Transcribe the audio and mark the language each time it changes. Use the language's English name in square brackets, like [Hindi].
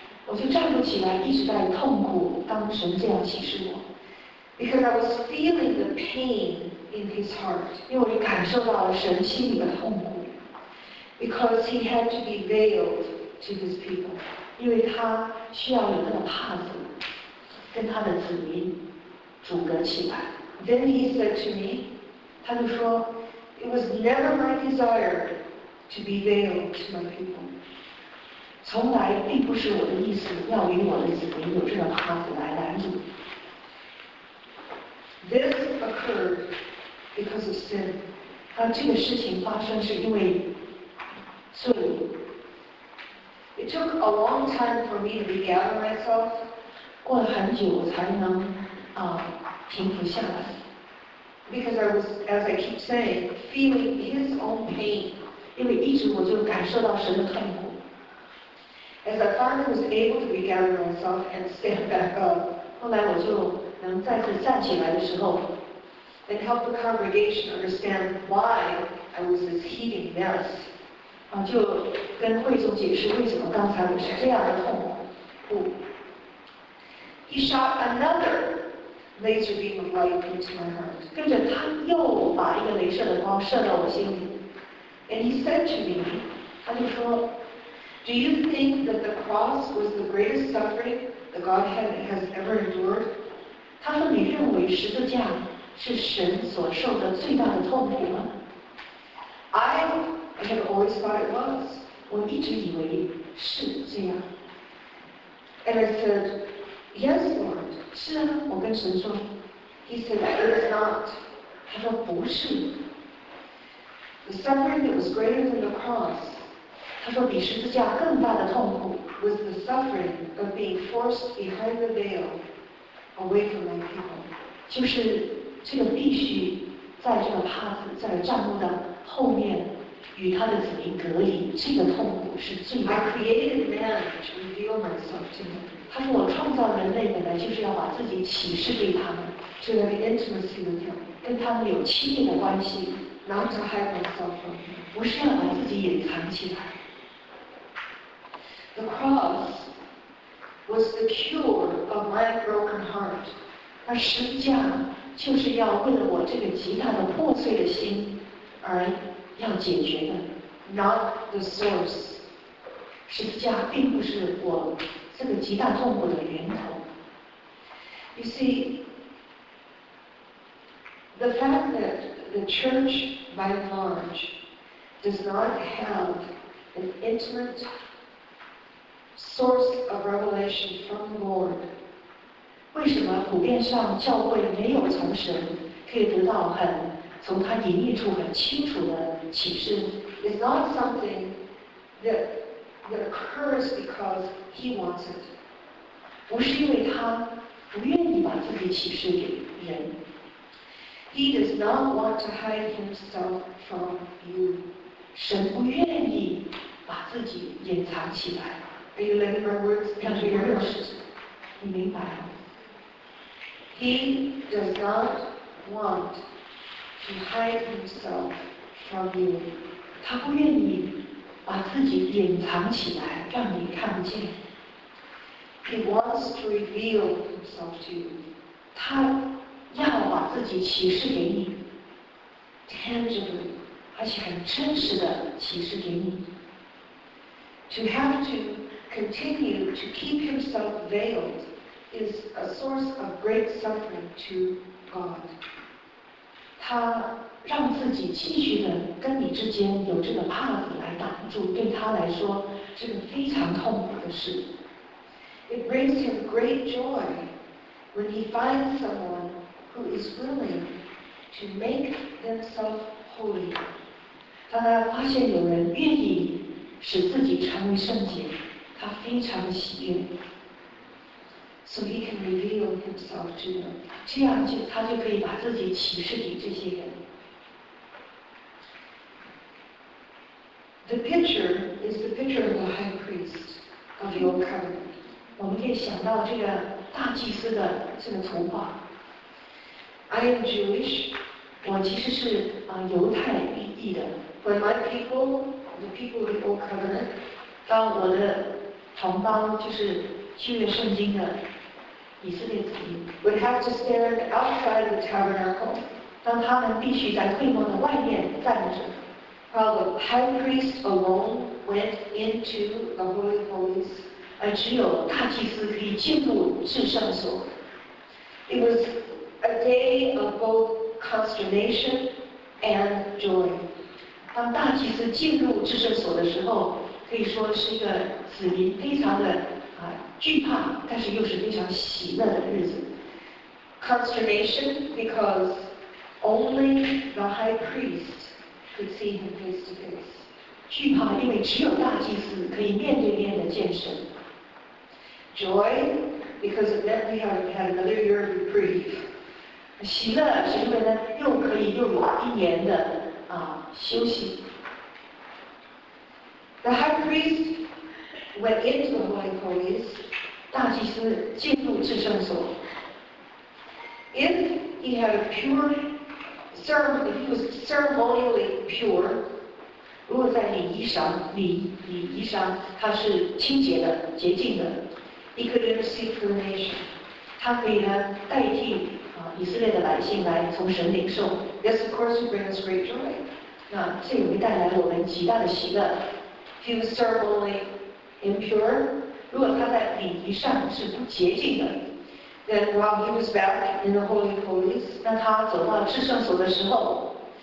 [Chinese] 我就站不起来，一直在痛苦。当神这样启示我 [English] ，because I was feeling the pain in his heart. [Chinese] 因为我感受到了神心里的痛苦。 [English] Because he had to be veiled to his people. [Chinese] 因为他需要有那个帕子，跟他的子民阻隔起来。 [English] Then he said to me, [Chinese] 他就说。 [English] It was never my desire to be veiled to my people. [Chinese] 从来并不是我的意思要与我的子民有这个帕子来拦阻。 [English] This occurred because of sin. [Chinese] 啊，这个事情发生是因为罪。 [English] It took a long time for me to regather myself. [Chinese] 过了很久才能啊平复下来。 [English] Because I was, as I keep saying, feeling his own pain. [Chinese] 因为一直我就感受到神的痛苦。 [English] As I finally was able to regather myself and stand back up. [Chinese] 后来我就能再次站起来的时候。 [English] And help the congregation understand why I was this heaving mess. [Chinese] 啊，就跟会众解释为什么刚才我是这样的痛苦。 [English] He shot another. Laser beam of light into my heart. [Chinese] 跟着他又把一个镭射的光射到我心里。 [English] And he said to me, [Chinese] 他就说 [English] ，Do you think that the cross was the greatest suffering the Godhead has ever endured? [Chinese] 他说你认为十字架是神所受的最大的痛苦吗 [English] ？I had always thought it was. [Chinese] 我一直以为是这样。 [English] And I said, Yes, Lord. [Chinese] 是啊，我跟神说 [English] ，He said it is not. [Chinese] 他说不是。 [English] The suffering that was greater than the cross. [Chinese] 他说比十字架更大的痛苦 [English] was the suffering of being forced behind the veil, away from my people. [Chinese] 就是这个必须在这个帕子在帐幕的后面与他的子民隔离，这个痛苦是最大的。 [English] I created man to reveal myself to him. [Chinese] 他说我创造人类本来就是要把自己启示给他们。 [English] to have intimacy with him, [Chinese] 跟他们有亲密的关系 [English] ，not to hide myself from him， [Chinese] 不是要把自己隐藏起来。 [English] The cross was the cure of my broken heart， [Chinese] 而十字架就是要为了我这个极大的破碎的心而要解决的 [English] ，not the source。 [Chinese] 十字架并不是我这个极大痛苦的源头。 [English] You see, the fact that the church by and large does not have an intimate source of revelation from the Lord. [Chinese] 为什么普遍上教会没有从神可以得到很从他隐秘处很清楚的启示 [English] ？It's not something that occurs because he wants it. [Chinese] 不是因为他不愿意把自己启示给人。 [English] He does not want to hide himself from you. [Chinese] 神不愿意把自己隐藏起来。 [English] Are you letting my words into your heart? [Chinese] 你明白吗？ [English] He does not want to hide himself from you. [Chinese] 他不愿意把自己隐藏起来，让你看不见。 [English] He wants to reveal himself to you. [Chinese] 他要把自己启示给你 [English] ，tangibly， [Chinese] 而且很真实的启示给你。 [English] To have to continue to keep himself veiled is a source of great suffering to God. [Chinese] 他让自己继续的跟你之间有这个帕子来挡住，对他来说是个非常痛苦的事。 [English] It brings him great joy when he finds someone who is willing to make themselves holy. [Chinese] 他发现有人愿意使自己成为圣洁，他非常喜悦。 [English] So he can reveal himself to them. [Chinese] 这样就他就可以把自己启示给这些人。 [English] The picture is the picture of the high priest of your covenant. [Chinese] 我们可以想到这个大祭司的这个图画。 [English] I am Jewish. [Chinese] 我其实是犹太裔的。 [English] When my people, the people of the old covenant, [Chinese] 当我的同胞就是旧约圣经的以色列子民 [English] ，would have to stand outside the tabernacle. [Chinese] 当他们必须在会幕的外面站着。 [English] While the high priest alone went into the holy of holies, [Chinese] 而只有大祭司可以进入至圣所。 [English] It was a day of both consternation and joy. [Chinese] 当大祭司进入至圣所的时候，可以说是一个子民非常的惧怕，但是又是非常喜乐的日子。 [English] Consternation because only the high priest. Could see him face to face. [Chinese] 惧怕，因为只有大祭司可以面对面的见神。 [English] Joy, because it meant we had another year of reprieve. [Chinese] 喜乐是因为呢，又可以又有一年的休息。 [English] The high priest went into the holy place. [Chinese] 大祭司进入至圣所。 [English] If he had a pure if he was ceremonially pure, [Chinese] 如果在礼仪上他是清洁的、洁净的 [English] ，he could intercede for the nation. [Chinese] 他可以呢代替以色列的百姓来从神领受。 [English] This of course brings great joy. [Chinese] 那这也会带来我们极大的喜乐。 [English] If he was ceremonially impure, [Chinese] 如果他在礼仪上是不洁净的。 [English] Then while he was back in the holy of holies, [Chinese] 那他走到至圣所的时候